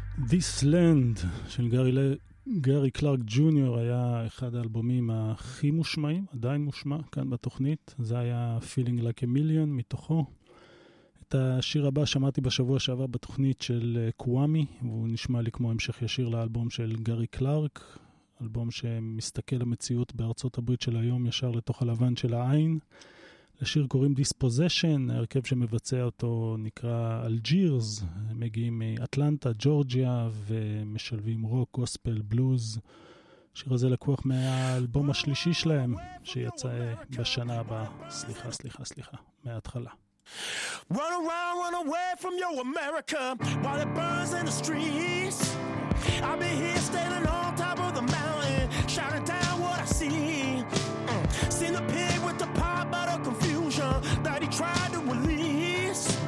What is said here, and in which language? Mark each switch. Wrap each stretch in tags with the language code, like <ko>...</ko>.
<he>This Land של גארי קלארק ג'וניור היה אחד האלבומים הכי מושמעים, עדיין מושמע כאן בתוכנית. זה היה Feeling Like a Million מתוכו. את השיר הבא שמעתי בשבוע שעבר בתוכנית של קוואמי, והוא נשמע לי כמו המשך ישיר לאלבום של גארי קלארק, אלבום שמסתכל המציאות בארצות הברית של היום ישר לתוך הלבן של העין. השיר קוראים Disposition, הרכב שמבצע אותו נקרא Algiers, הם מגיעים מאטלנטה, ג'ורג'יה, ומשלבים רוק, גוספל, בלוז. השיר הזה לקוח מהאלבום השלישי שלהם, שיצא בשנה הבאה, סליחה, מההתחלה.</he> <en>Run around, run away from your America, while it burns in the streets. I'll be here standing on top of the mountain, shouting down what I see. Seen the pig with the pot but a confusion that he tried to release.</en>